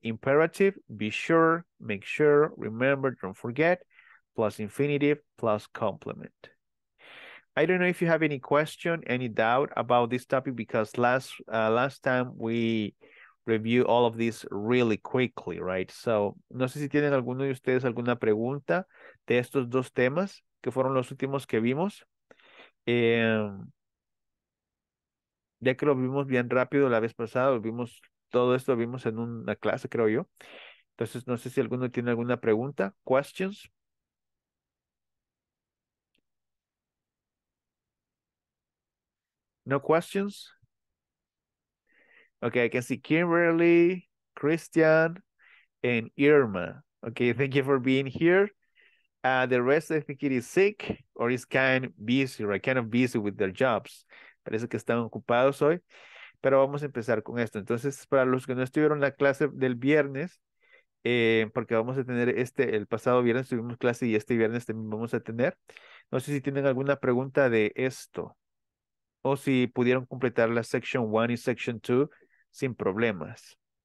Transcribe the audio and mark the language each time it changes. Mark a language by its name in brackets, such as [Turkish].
[English] Imperative, be sure, make sure, remember, don't forget, plus infinitive, plus complement. I don't know if you have any question, any doubt about this topic, because last time we reviewed all of this really quickly, right? [Spanish] So, no sé si tienen alguno de ustedes alguna pregunta de estos dos temas que fueron los últimos que vimos. Ya que lo vimos bien rápido la vez pasada, vimos todo esto, vimos en una clase, creo yo. Entonces, no sé si alguno tiene alguna pregunta, questions. [English] No questions? Okay, I can see Kimberly, Christian, and Irma. Okay, thank you for being here. The rest, I think it is sick or is kind of busy, right? Kind of busy with their jobs. [Spanish] Parece que están ocupados hoy. Pero vamos a empezar con esto. Entonces, para los que no estuvieron en la clase del viernes, porque vamos a tener el pasado viernes tuvimos clase y este viernes también vamos a tener. No sé si tienen alguna pregunta de esto. O si pudieron completar la section 1 y section 2 sin problemas.